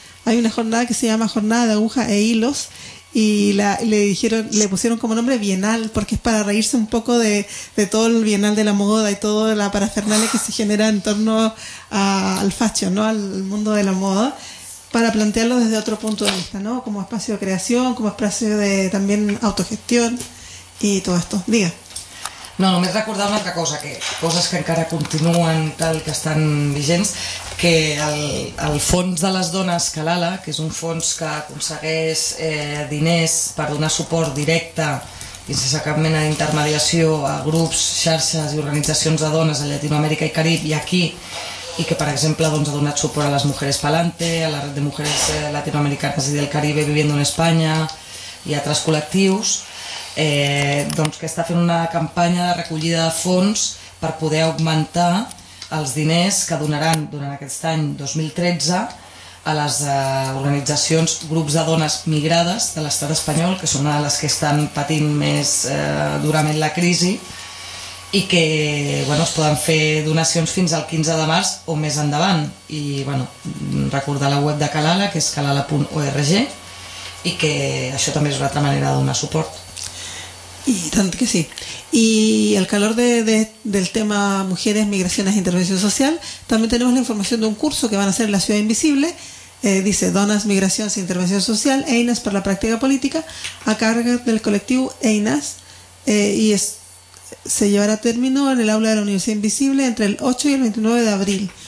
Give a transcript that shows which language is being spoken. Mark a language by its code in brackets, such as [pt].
[es] Hay una jornada que se llama Jornada de Aguja e Hilos y le pusieron como nombre Bienal porque es para reírse un poco de todo el Bienal de la Moda y toda la parafernalia que se genera en torno al fashion, ¿no? Al mundo de la moda, para plantearlo desde otro punto de vista, ¿no? Como espacio de creación, como espacio de también autogestión y todo esto. Diga. [ca] No, només recordar una altra cosa, que coses que encara continuen tal, que estan vigents, que el fons de les dones Calala, que és un fons que aconsegueix diners per donar suport directe i sense cap mena d'intermediació a grups, xarxes i organitzacions de dones a Llatinoamèrica i Carib i aquí, i que per exemple doncs, ha donat suport a les Mujeres Palante, a la Red de Mujeres Latinoamericanas i del Caribe Viviendo en Espanya i altres col·lectius, doncs que està fent una campanya de recollida de fons per poder augmentar els diners que donaran durant aquest any 2013 a les organitzacions, grups de dones migrades de l'estat espanyol, que són una de les que estan patint més durament la crisi i que bueno, es poden fer donacions fins al 15 de març o més endavant. I bueno, recordar la web de Calala, que és calala.org, i que això també és una altra manera de donar suport. [es] Y tanto que sí. Y al calor del tema mujeres, migraciones e intervención social, también tenemos la información de un curso que van a hacer en la Ciudad Invisible, dice Donas, Migraciones e Intervención Social, EINAS para la Práctica Política, a cargo del colectivo EINAS, se llevará a término en el aula de la Universidad Invisible entre el 8 y el 29 de abril.